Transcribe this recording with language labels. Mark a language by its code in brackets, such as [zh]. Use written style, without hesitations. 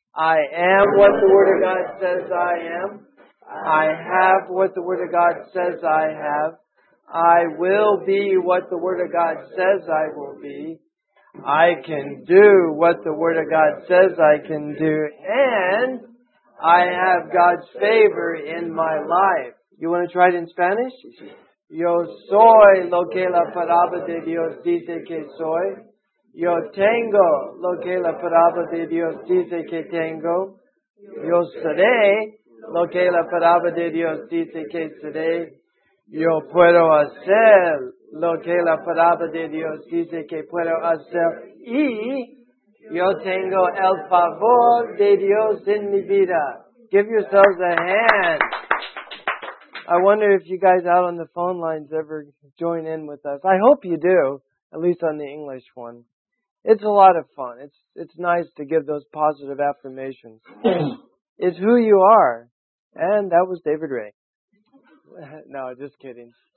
[en] I am what the Word of God says I am. I have what the Word of God says I have. I will be what the Word of God says I will be. I can do what the Word of God says I can do. And I have God's favor in my life. You want to try it in Spanish? [es] Yo soy lo que la palabra de Dios dice que soy. Yo tengo lo que la palabra de Dios dice que tengo. Yo seré lo que la palabra de Dios dice que seré. Yo puedo hacer lo que la palabra de Dios dice que puedo hacer. Y yo tengo el favor de Dios en mi vida. [en] Give yourselves a hand. I wonder if you guys out on the phone lines ever join in with us. I hope you do, at least on the English one. It's a lot of fun. It's nice to give those positive affirmations. It's who you are. And that was David Ray. No, just kidding.